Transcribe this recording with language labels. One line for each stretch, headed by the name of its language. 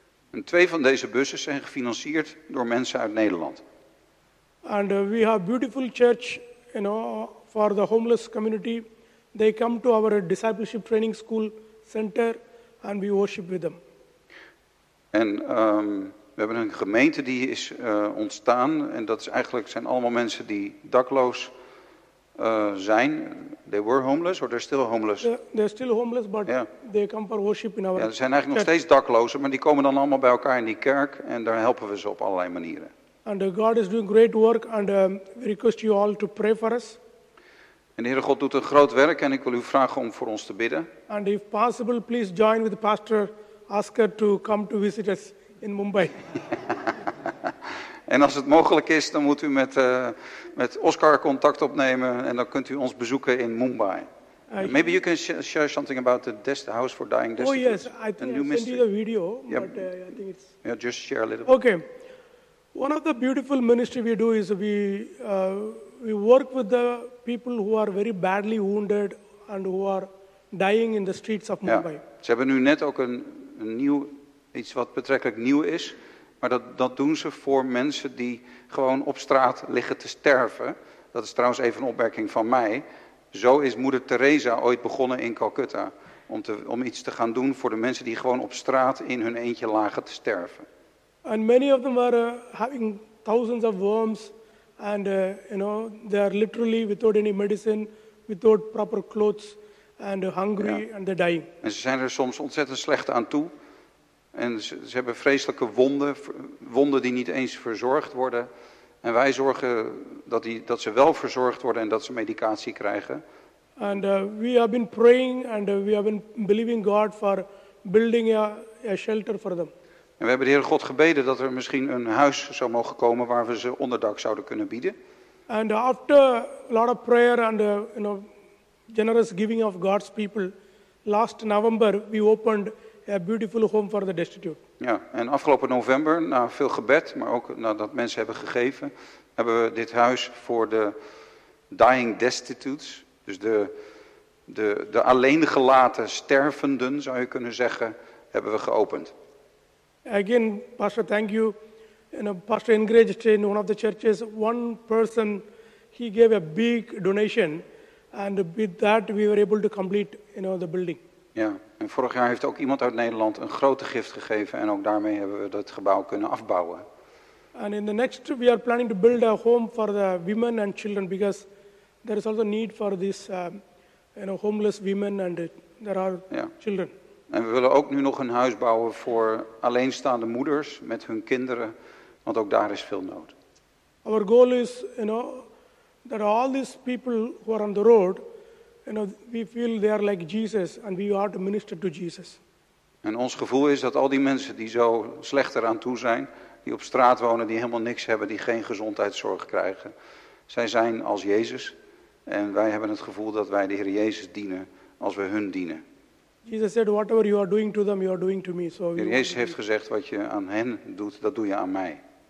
Dutch: En 2 van deze bussen zijn gefinancierd door mensen uit Nederland.
English: And we have beautiful church, you know, for the homeless community. They come to our discipleship training school center and we worship with them.
Dutch: En we hebben een gemeente die is ontstaan en dat is eigenlijk zijn allemaal mensen die dakloos zijn.
English: They were homeless or they're still homeless? They're still homeless, but yeah, they come for worship in our church.
Dutch: Ze zijn eigenlijk nog steeds daklozen, maar die komen dan allemaal bij elkaar in die kerk en daar helpen we ze op allerlei manieren.
English: And God is doing great work and we request you all to pray for us.
Dutch: En de Heere God doet een groot werk en ik wil u vragen om voor ons te bidden.
English: And if possible, please join with the pastor, ask her to come to visit us in Mumbai.
Dutch: En als het mogelijk is, dan moet u met Oscar contact opnemen en dan kunt u ons bezoeken in Mumbai.
English: Maybe you can share something about the house for dying destitute. Oh yes, I think I sent you the video. Yeah. But I think it's... Yeah, just share a little bit. Okay. One of the beautiful ministry we do is we work with the people who are very badly wounded and who are dying in the streets of Mumbai.
Dutch: Ja, ze hebben nu net ook een nieuw iets wat betrekkelijk nieuw is, maar dat doen ze voor mensen die gewoon op straat liggen te sterven. Dat is trouwens even een opmerking van mij. Zo is Moeder Teresa ooit begonnen in Calcutta om iets te gaan doen voor de mensen die gewoon op straat in hun eentje lagen te sterven.
English: And many of them are having thousands of worms. And they are literally without any medicine, without proper clothes, and hungry, ja, and they're dying.
Dutch: En ze zijn er soms ontzettend slecht aan toe. En ze hebben vreselijke wonden die niet eens verzorgd worden. En wij zorgen dat, dat ze wel verzorgd worden en dat ze medicatie krijgen.
English: And we have been praying and we have been believing God for building a shelter for them.
Dutch: En we hebben de Heere God gebeden dat er misschien een huis zou mogen komen waar we ze onderdak zouden kunnen bieden.
English: And after a lot of prayer and you know, generous giving of God's people, last November we opened a beautiful home for the destitute.
Dutch: Ja, en afgelopen november, na veel gebed, maar ook nadat mensen hebben gegeven, hebben we dit huis voor de dying destitutes, dus de alleen gelaten stervenden, zou je kunnen zeggen, hebben we geopend.
English: Again, Pastor, thank you. You know, Pastor encouraged in one of the churches, one person, he gave a big donation, and with that we were able to complete, you know, the building.
Dutch: Ja. En vorig jaar heeft ook iemand uit Nederland een grote gift gegeven en ook daarmee hebben we dat gebouw kunnen afbouwen.
English: And in the next we are planning to build a home for the women and children because there is also need for this you know, homeless women and there are children.
Dutch: En we willen ook nu nog een huis bouwen voor alleenstaande moeders met hun kinderen, want ook daar is veel nood.
English: Our goal is, you know, that all these people who are on the road, you know, we feel they are like Jesus and we are to minister to Jesus.
Dutch: En ons gevoel is dat al die mensen die zo slecht eraan toe zijn, die op straat wonen, die helemaal niks hebben, die geen gezondheidszorg krijgen, zij zijn als Jezus en wij hebben het gevoel dat wij de Heer Jezus dienen als we hun dienen.
English: Jesus said, whatever you are doing to them, you are doing to me. So
Dutch: de Heer Jezus heeft gezegd, wat je aan hen doet, dat doe je aan mij.